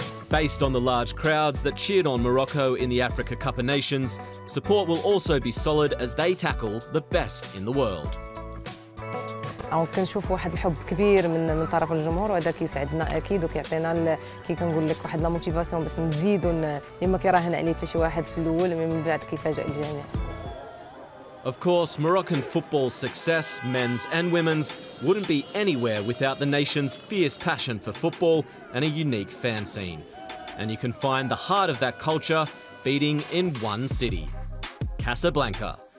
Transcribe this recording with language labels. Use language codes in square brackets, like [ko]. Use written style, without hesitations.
[en] Based on the large crowds that cheered on Morocco in the Africa Cup of Nations, support will also be solid as they tackle the best in the world. [ar] كنشوف واحد الحب كبير من طرف الجمهور وهذا كيسعدنا اكيد وكيعطينا كي كنقول لك واحد لا موتيفاسيون باش نزيدوا اللي ما كيراهن عليه حتى شي واحد في الاول من بعد كيفاجئ الجميع. [en] Of course, Moroccan football's success, men's and women's, wouldn't be anywhere without the nation's fierce passion for football and a unique fan scene. and you can find the heart of that culture beating in one city, Casablanca.